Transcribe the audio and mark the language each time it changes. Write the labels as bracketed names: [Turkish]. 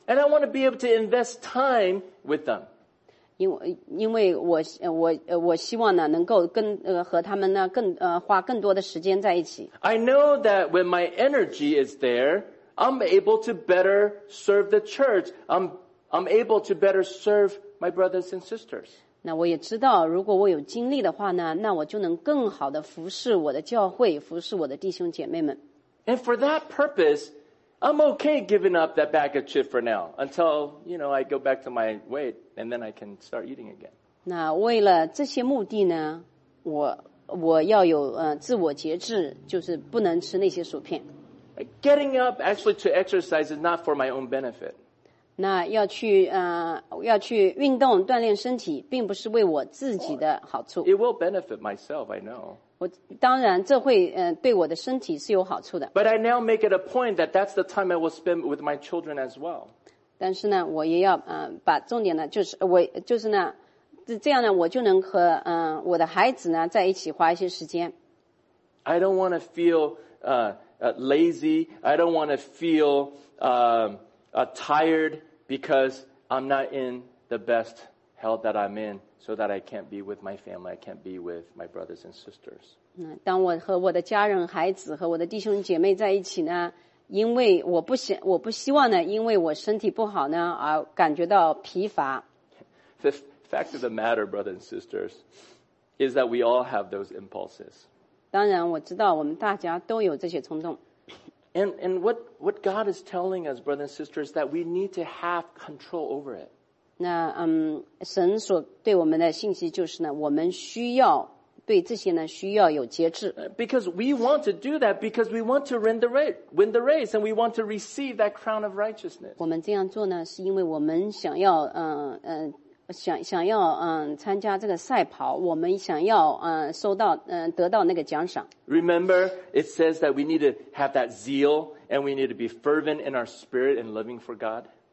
[English] And I want to be able to invest time with them. [Chinese] 因为我希望呢能够跟和他们呢更花更多的时间在一起。 [English] I know that when my energy is there, I'm able to better serve the church. I'm able to better serve my brothers and sisters. [Chinese] 那我也知道，如果我有精力的话呢，那我就能更好的服侍我的教会，服侍我的弟兄姐妹们。 [English] And for that purpose. I'm okay giving up that bag of chips for now until, you know, I go back to my weight and then I can start eating again. [Chinese] 那为了这些目的呢，我要有自我节制，就是不能吃那些薯片。 [English] Getting up actually to exercise is not for my own benefit. [Chinese] 那要去运动锻炼身体并不是为我自己的好处。 [English] It will benefit myself, I know. [Chinese] 我当然这会对我的身体是有好处的。 [English] But I now make it a point that that's the time I will spend with my children as well. [Chinese] 但是呢我也要把重点呢就是我就是呢这样呢我就能和我的孩子呢在一起花一些时间。 [English] I don't want to feel lazy. I don't want to feel tired because I'm not in the best health that I'm in. So that I can't be with my family, I can't be with my brothers and sisters. [Chinese] 当我和我的家人、孩子和我的弟兄姐妹在一起呢，因为我不希望呢，因为我身体不好呢而感觉到疲乏。 [English] The fact of the matter, brothers and sisters, is that we all have those impulses. [Chinese] 当然，我知道我们大家都有这些冲动。 [English] And what God is telling us, brothers and sisters, that we need to have control over it. [Chinese] 那神所对我们的信息就是呢，我们需要对这些呢需要有节制。 [English] Because we want to do that, because we want to win the race, and we want to receive that crown of righteousness. [Chinese] 我们这样做呢，是因为我们想要参加这个赛跑，我们想要得到那个奖赏。 [English] Remember, it says that we need to have that zeal, and we need to be fervent in our spirit and living for God.